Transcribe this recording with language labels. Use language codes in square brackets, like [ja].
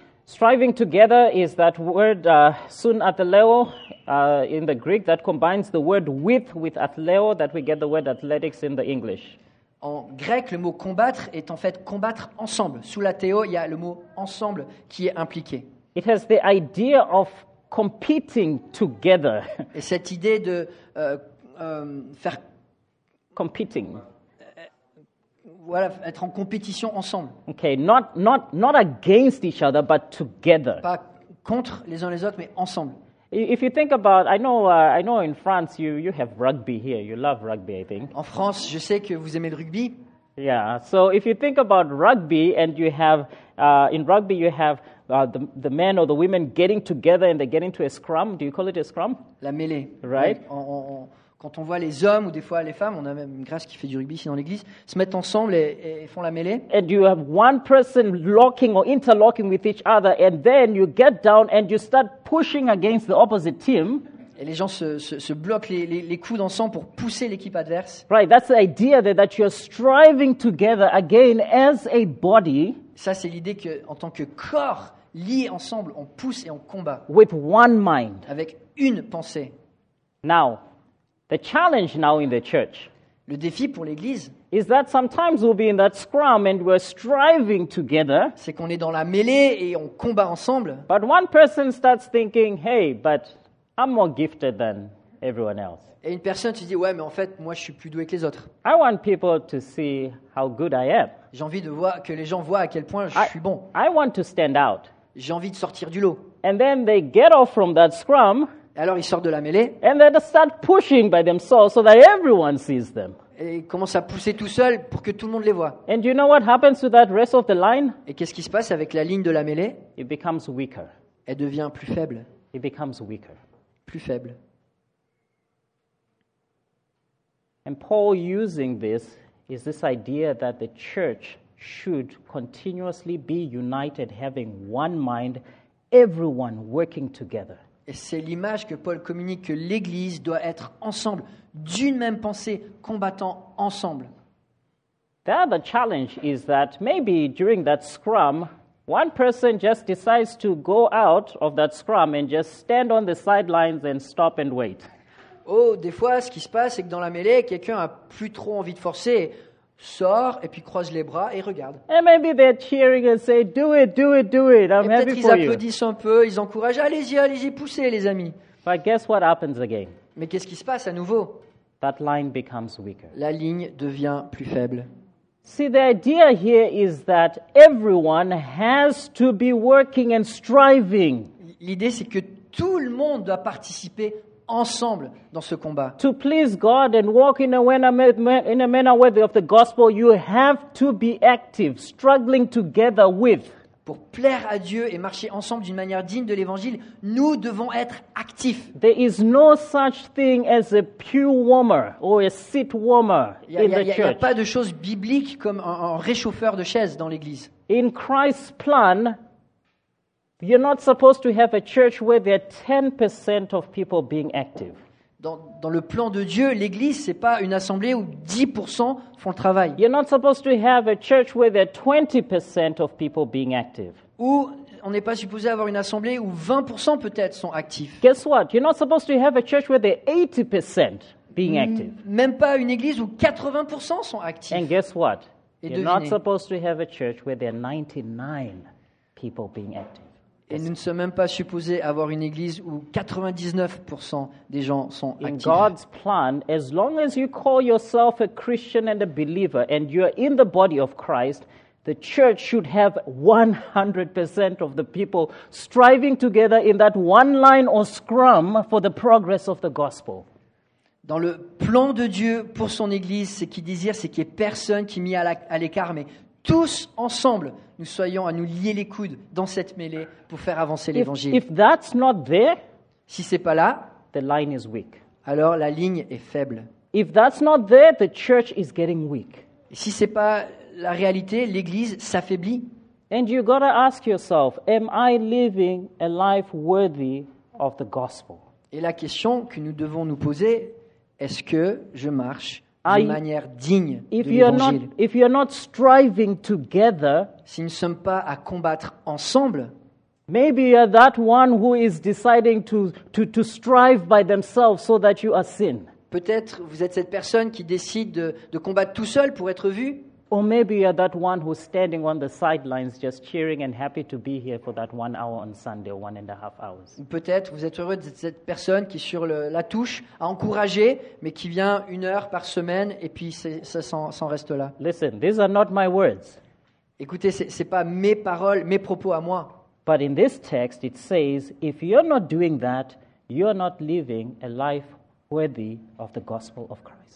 [en] Striving together is that word sunatheleo in the Greek that combines the word with athleo that we get the word athletics in the English. [fr] En grec, le mot combattre est en fait combattre ensemble. Sous la théo, il y a le mot ensemble qui est impliqué. [en] It has the idea of competing together. [fr] Et cette idée de faire [en] competing. [fr] Voilà, être en compétition ensemble. [en] Okay, not against each other, but together. [fr] Pas contre les uns les autres, mais ensemble. [en] If you think about, I know in France you have rugby here. You love rugby, I think. [fr] En France, je sais que vous aimez le rugby. [en] Yeah. So if you think about rugby and you have in rugby you have the men or the women getting together and they get into a scrum. Do you call it a scrum? [fr] La mêlée. [en] Right. [fr] Quand on voit les hommes ou des fois les femmes, on a même une grâce qui fait du rugby ici dans l'église, se mettent ensemble et font la mêlée. [en] And you have one person locking or interlocking with each other and then you get down and you start pushing against the opposite team. [fr] Et les gens se bloquent les coudes ensemble pour pousser l'équipe adverse. [en] Right, that's the idea that you're striving together again as a body. [fr] Ça, c'est l'idée que en tant que corps lié ensemble, on pousse et on combat. [en] With one mind. [fr] Avec une pensée. [en] Now, the challenge now in the church. [fr] Le défi pour l'église. [en] Is that sometimes we'll be in that scrum and we're striving together. [fr] C'est qu'on est dans la mêlée et on combat ensemble. [en] But one person starts thinking, hey, but I'm more gifted than everyone else. [fr] Et une personne te dit, ouais, mais en fait, moi, je suis plus doué que les autres. [en] I want people to see how good I am. [fr] J'ai envie de voir que les gens voient à quel point je suis bon. [en] I want to stand out. [fr] J'ai envie de sortir du lot. [en] And then they get off from that scrum. [fr] Et alors ils sortent de la mêlée. [en] And they start pushing by themselves so that everyone sees them. [fr] Et ils commencent à pousser tout seuls pour que tout le monde les voit. [en] And you know what happens to that rest of the line? [fr] Et qu'est-ce qui se passe avec la ligne de la mêlée? [en] It becomes weaker. [fr] Elle devient plus faible. [en] It becomes weaker. [fr] Plus faible. [en] And Paul using this is this idea that the church should continuously be united, having one mind, everyone working together. [fr] Et c'est l'image que Paul communique, que l'Église doit être ensemble, d'une même pensée, combattant ensemble. [en] The other challenge is that maybe during that scrum, one person just decides to go out of that scrum and just stand on the sidelines and stop and wait. [fr] Oh, des fois, ce qui se passe, c'est que dans la mêlée, quelqu'un a plus trop envie de forcer, sort et puis croise les bras et regarde. [en] And maybe they're cheering and say, do it, do it, do it. I'm happy for you. [fr] Et peut-être ils applaudissent un peu, ils encouragent. Allez-y, allez-y, poussez, les amis. [en] But guess what happens again? [fr] Mais qu'est-ce qui se passe à nouveau? [en] That line becomes weaker. [fr] La ligne devient plus faible. [en] See, the idea here is that everyone has to be working and striving. [fr] L'idée, c'est que tout le monde doit participer ensemble dans ce combat. [en] To please God and walk in a manner worthy of the gospel, you have to be active, struggling together with. [fr] Pour plaire à Dieu et marcher ensemble d'une manière digne de l'évangile, nous devons être actifs. [en] There is no such thing as a pew warmer or a seat warmer in the church. [fr] Il n'y a pas de chose biblique comme un réchauffeur de chaise dans l'église. [en] In Christ's plan, you're not supposed to have a church where there are 10% of people being active. [fr] Dans le plan de Dieu, l'église c'est pas une assemblée où 10% font le travail. [en] You're not supposed to have a church where there are 20% of people being active. [fr] Ou on n'est pas supposé avoir une assemblée où 20% peut-être sont actifs. [en] Guess what? You're not supposed to have a church where there are 80% being active. [fr] Même pas une église où 80% sont actifs. [en] And guess what? [fr] Et [en] you're [fr] devinez. [en] Not supposed to have a church where there are 99 people being active. [fr] Et nous ne sommes même pas supposés avoir une église où 99% des gens sont actifs. [en] In God's plan, as long as you call yourself a Christian and a believer and you are in the body of Christ, the church should have 100% of the people striving together in that one line or scrum for the progress of the gospel. [fr] Dans le plan de Dieu pour son église, ce qu'il désire, c'est qu'il n'y ait personne qui est mis à l'écart, mais tous ensemble, nous soyons à nous lier les coudes dans cette mêlée pour faire avancer l'évangile. [en] If that's not there, [fr] si c'est pas là, [en] the line is weak. [fr] Alors la ligne est faible. [en] If that's not there, the church is getting weak. [fr] Si c'est pas la réalité, l'église s'affaiblit. [en] And you gotta ask yourself, am I living a life worthy of the gospel? [fr] Et la question que nous devons nous poser, est-ce que je marche de manière digne [en] if [fr] de l'Évangile. [en] Not, together, [fr] si nous ne sommes pas à combattre ensemble, [en] maybe you're that one who is deciding to strive by themselves so that you are seen. [fr] Peut-être vous êtes cette personne qui décide de combattre tout seul pour être vu. [en] Or maybe you're that one who's standing on the sidelines just cheering and happy to be here for that 1 hour on Sunday, 1.5 hours. [fr] Peut-être vous êtes heureux d'être cette personne qui sur la touche à encourager, mais qui vient une heure par semaine et puis ça s'en reste là. [en] Listen, these are not my words. [fr] Écoutez, c'est pas mes paroles, mes propos à moi. [en] But in this text it says, if you're not doing that, you're not living a life worthy of the gospel of Christ.